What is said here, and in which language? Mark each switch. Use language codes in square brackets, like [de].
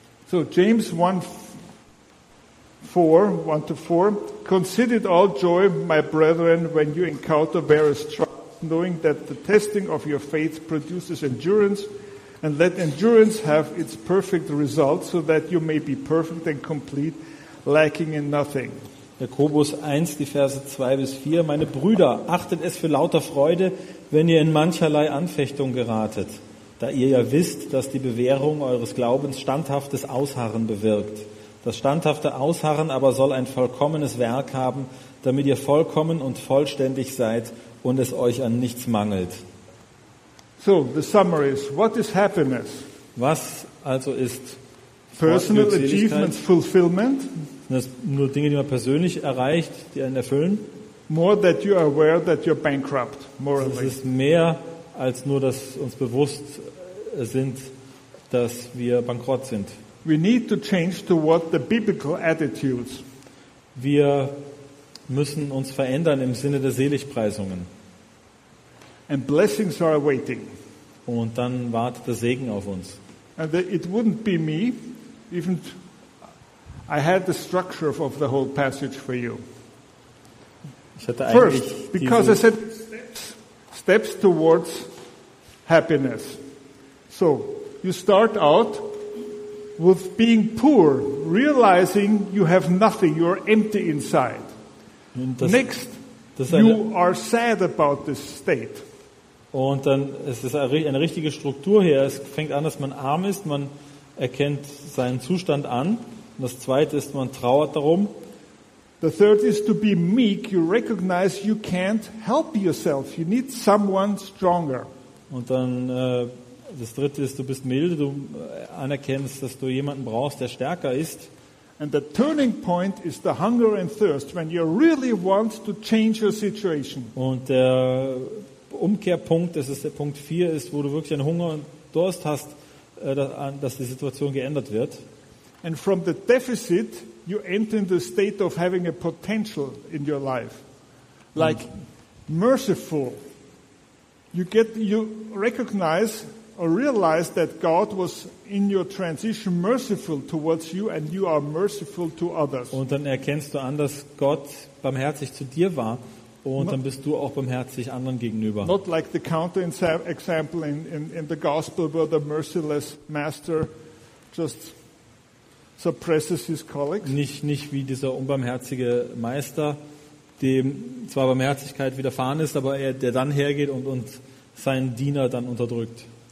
[en] So James 1:4, consider it all joy, my brethren, when you encounter various trials, knowing that the testing of your faith produces endurance, and let endurance have its perfect result, so that you may be perfect and complete, lacking in nothing. [de] Jakobus 1, die Verse 2 bis 4. Meine Brüder, achtet es für lauter Freude, wenn ihr in mancherlei Anfechtung geratet, da ihr ja wisst, dass die Bewährung eures Glaubens standhaftes Ausharren bewirkt. Das standhafte Ausharren aber soll ein vollkommenes Werk haben, damit ihr vollkommen und vollständig seid und es euch an nichts mangelt. [en] So, the summary is, what is happiness? [de] Was also ist [en] personal achievements fulfillment? [de] Das nur Dinge, die man persönlich erreicht, die einen erfüllen. [en] More that you are aware that you're bankrupt, morally. [de] Es ist mehr als nur, dass uns bewusst sind, dass wir bankrott sind. [en] We need to change toward the biblical attitudes. [de] Wir müssen uns verändern im Sinne der Seligpreisungen. [en] And blessings are waiting. [de] Und dann wartet der Segen auf uns. [en] And it wouldn't be me, even I had the structure of the whole passage for you. [de] Ich hatte [en] first, because I said steps towards happiness. So you start out with being poor, realizing you have nothing, you are empty inside. Next, you are sad about this state. [de] Und dann ist es eine richtige Struktur hier. Es fängt an, dass man arm ist, man erkennt seinen Zustand an. Und das Zweite ist, man trauert darum. [en] The third is to be meek. You recognize you can't help yourself. You need someone stronger. [de] Und dann das Dritte ist, du bist milde. Du anerkennst, dass du jemanden brauchst, der stärker ist. [en] And the turning point is the hunger and thirst when you really want to change your situation. [de] Und Umkehrpunkt, das ist der Punkt 4, ist, wo du wirklich einen Hunger und Durst hast, dass die Situation geändert wird. [en] And from the deficit you enter in the state of having a potential in your life, like merciful. You recognize or realize that God was in your transition merciful towards you, and you are merciful to others. [de] Und dann erkennst du an, dass Gott barmherzig zu dir war. Und dann bist du auch barmherzig anderen gegenüber. [en] Not like the counter example in the gospel where the merciless master just suppresses his colleagues. [de] Nicht wie dieser unbarmherzige Meister, dem zwar Barmherzigkeit widerfahren ist, aber er, der dann hergeht und seinen Diener dann unterdrückt.